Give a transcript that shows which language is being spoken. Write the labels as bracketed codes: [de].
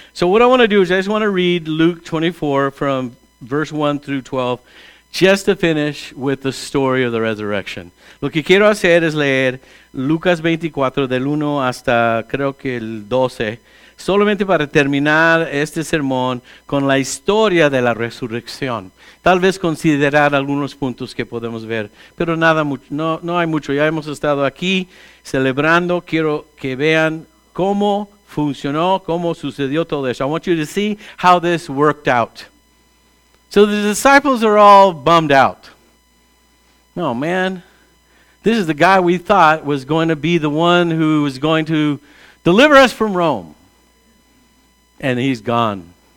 [en] So what I want to do is I just want to read Luke 24 from verse 1 through 12 just to finish with the story of the resurrection. [es] Lo que quiero hacer es leer Lucas 24 del 1 hasta creo que el 12 solamente para terminar este sermón con la historia de la resurrección. Tal vez considerar algunos puntos que podemos ver, pero nada mucho, no hay mucho. Ya hemos estado aquí celebrando. Quiero que vean cómo funcionó, cómo sucedió todo eso. [en] I want you to see how this worked out. So the disciples are all bummed out. No, man, this is the guy we thought was going to be the one who was going to deliver us from Rome. And he's gone.